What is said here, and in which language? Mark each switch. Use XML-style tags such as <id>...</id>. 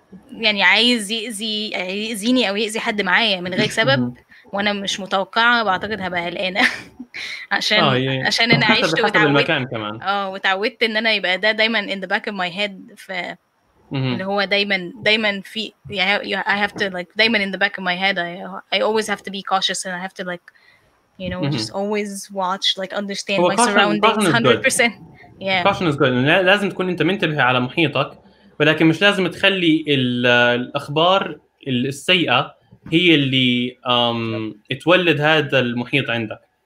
<ar>يعني عايز يأذيني او يأذي حد معايا من غير سبب وانا مش متوقعه، بعتقد هبقى قلقانه عشان انا عشت وتعودت ان انا يبقى ده دايما in the back of my head.</ar> <en>ف اللي هو دايما في I have to like دايما in the back of my head I always have to be cautious and I have to like you know just always watch like understand my surroundings 100%. Yeah. Caution is good.</en> <ar>لازم تكون انت منتبه على محيطك، ولكن مش لازم تخلي الاخبار السيئه هي اللي تولد هذا المحيط عندك.</ar>